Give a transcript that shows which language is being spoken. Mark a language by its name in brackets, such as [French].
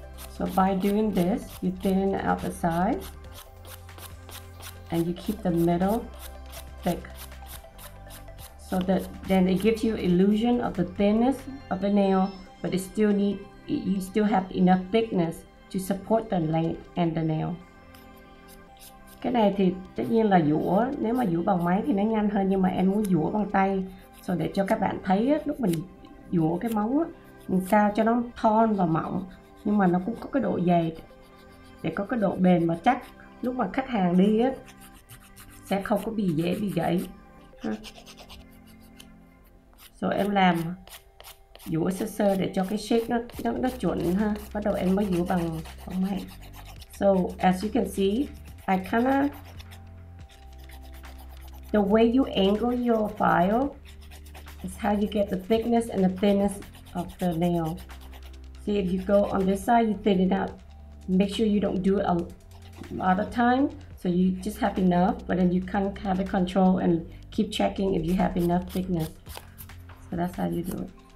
[English] So by doing this, you thin out the side and you keep the middle thick. So that then it gives you illusion of the thinness of the nail, but it still need you still have enough thickness to support the length and the nail. [Vietnamese] Cái này thì tất nhiên là dũa, nếu mà dũa bằng máy thì nó nhanh hơn, nhưng mà em muốn dũa bằng tay. So để cho các bạn thấy lúc mình dũa cái móng á, mình sao cho nó thon và mỏng, nhưng mà nó cũng có cái độ dày để có cái độ bền và chắc, lúc mà khách hàng đi á sẽ không có bị dễ bị gãy. So em làm dũa sơ sơ để cho cái shape nó chuẩn ha. Bắt đầu em mới dũa bằng bằng máy. [English] So as you can see, I kinda, the way you angle your file is how you get the thickness and the thinness of the nail. See, if you go on this side, you thin it out. Make sure you don't do it a lot of time, so you just have enough, but then you can have a control and keep checking if you have enough thickness. So that's how you do it.